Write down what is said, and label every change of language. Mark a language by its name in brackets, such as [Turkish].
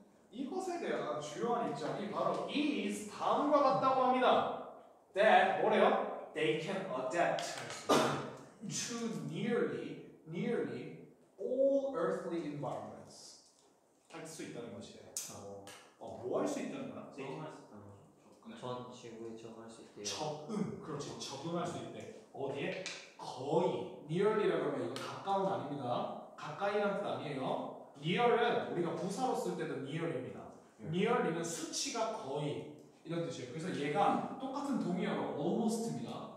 [Korean] 이것에 대한 중요한 이점이 바로 is 다음과 같다고 합니다. That 뭐래요? [English] They can adapt to nearly all earthly environments. [Korean] 할 수 있다는 것이에요. 뭐 할 수 있다는 거야? 적응할 수 있다는 거죠. 네. 전 지구에 적응할 수 있대요. 적응, 그렇지. 적응할 수 있대. 어디에? 거의. Nearly라고 하면 이거 가까운 아닙니다. 가까이란 뜻 아니에요. Near은 우리가 부사로 쓸 때도 near입니다. Nearly는 수치가 거의 이런 뜻이에요. 그래서 얘가 똑같은 동의어로 almost입니다.